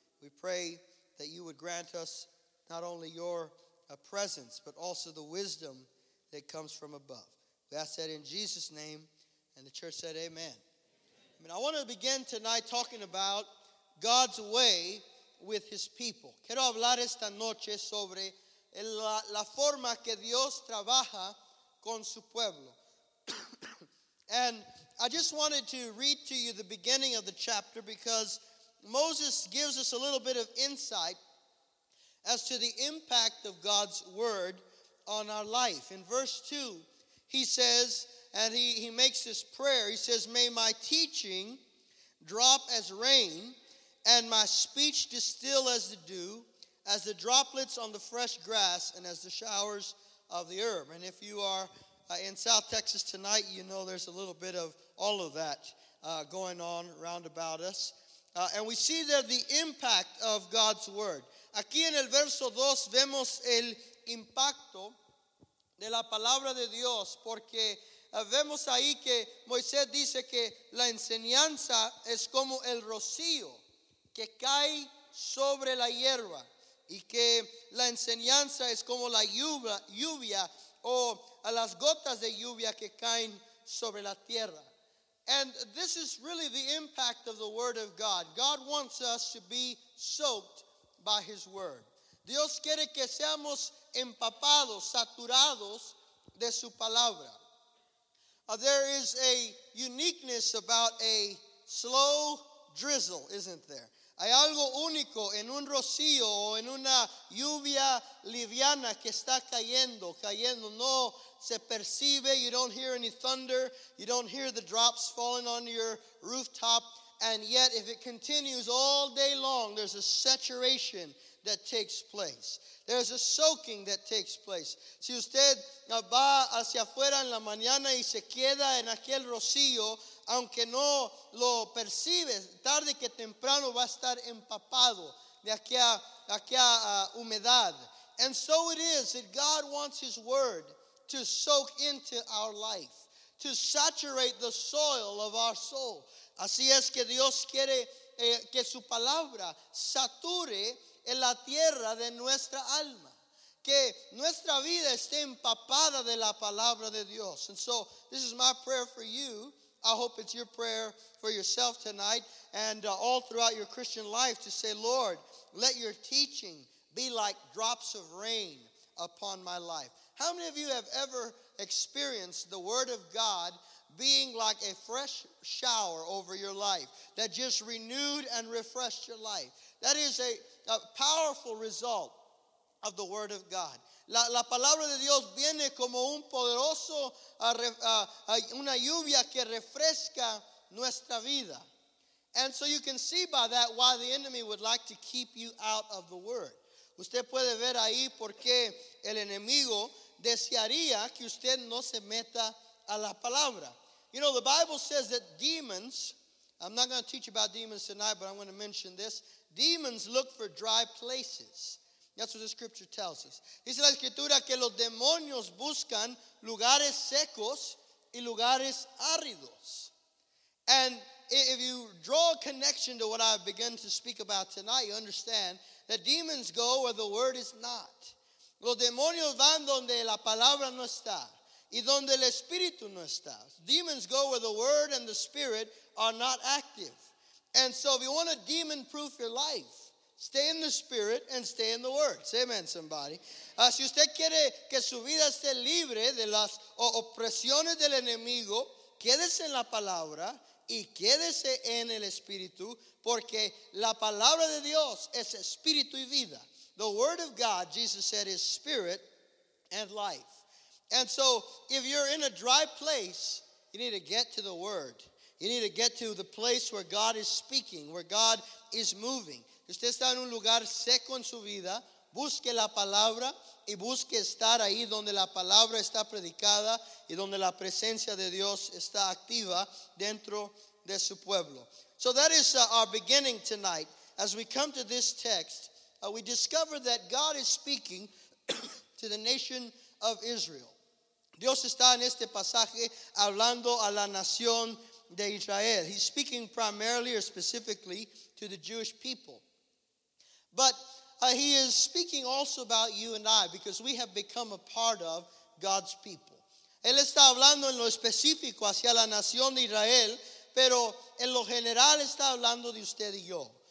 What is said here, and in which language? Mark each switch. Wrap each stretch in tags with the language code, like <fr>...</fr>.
<en>We pray that you would grant us not only your presence, but also the wisdom that comes from above. We ask that in Jesus' name, and the church said amen. Amen. I want to begin tonight talking about God's way with his people.</en> <es>Quiero hablar esta noche sobre la forma que Dios trabaja con su pueblo.</es> <en>And I just wanted to read to you the beginning of the chapter because Moses gives us a little bit of insight as to the impact of God's word on our life. In verse 2, he says, and he makes this prayer. He says, "May my teaching drop as rain, and my speech distill as the dew, as the droplets on the fresh grass, and as the showers of the herb." And if you are in South Texas tonight, you know there's a little bit of all of that going on round about us. And we see there the impact of God's word.</en> <es>Aquí en el verso 2 vemos el impacto de la palabra de Dios, porque vemos ahí que Moisés dice que la enseñanza es como el rocío que cae sobre la hierba, y que la enseñanza es como la lluvia o a las gotas de lluvia que caen sobre la tierra.</es> <en>And this is really the impact of the word of God. God wants us to be soaked by his word.</en> <es>Dios quiere que seamos empapados, saturados de su palabra.</es> <en>There is a uniqueness about a slow drizzle, isn't there?</en> <es>Hay algo único en un rocío o en una lluvia liviana que está cayendo, cayendo. No se percibe.</es> <en>You don't hear any thunder. You don't hear the drops falling on your rooftop. And yet, if it continues all day long, there's a saturation that takes place. There's a soaking that takes place.</en> <es>Si usted va hacia afuera en la mañana y se queda en aquel rocío, aunque no lo percibes, tarde que temprano va a estar empapado de aquella humedad.</es> <en>And so it is that God wants His Word to soak into our life, to saturate the soil of our soul.</en> <es>Así es que Dios quiere que su palabra sature en la tierra de nuestra alma, que nuestra vida esté empapada de la palabra de Dios.</es> <en>And so this is my prayer for you. I hope it's your prayer for yourself tonight and all throughout your Christian life, to say, Lord, let your teaching be like drops of rain upon my life. How many of you have ever experienced the Word of God being like a fresh shower over your life that just renewed and refreshed your life? That is a powerful result of the Word of God.</en> <es>La palabra de Dios viene como un poderoso, una lluvia que refresca nuestra vida.</es> <en>And so you can see by that why the enemy would like to keep you out of the Word.</en> <es>Usted puede ver ahí por qué el enemigo desearía que usted no se meta a la palabra.</es> <en>You know, the Bible says that demons, I'm not going to teach about demons tonight, but I'm going to mention this. Demons look for dry places. That's what the scripture tells us.</en> <es>Dice la escritura que los demonios buscan lugares secos y lugares áridos.</es> <en>And if you draw a connection to what I've begun to speak about tonight, you understand that demons go where the word is not.</en> <es>Los demonios van donde la palabra no está y donde el espíritu no está.</es> <en>Demons go where the word and the spirit are not active. And so if you want to demon-proof your life, stay in the Spirit and stay in the Word. Say amen, somebody.</en> <es>Si usted quiere que su vida esté libre de las opresiones del enemigo, quédese en la palabra y quédese en el Espíritu, porque la palabra de Dios es Espíritu y vida.</es> <en>The Word of God, Jesus said, is Spirit and life. And so, if you're in a dry place, you need to get to the Word. You need to get to the place where God is speaking, where God is moving.</en> <es>Usted está en un lugar seco en su vida, busque la palabra y busque estar ahí donde la palabra está predicada y donde la presencia de Dios está activa dentro de su pueblo.</es> <en>So that is our beginning tonight. As we come to this text, we discover that God is speaking to the nation of Israel.</en> <es>Dios está en este pasaje hablando a la nación de Israel.</es> <en>He's speaking primarily or specifically to the Jewish people. But he is speaking also about you and I, because we have become a part of God's people.</en> <es>Él está hablando en lo específico hacia la nación de Israel, pero en lo general está hablando de usted y yo.</es>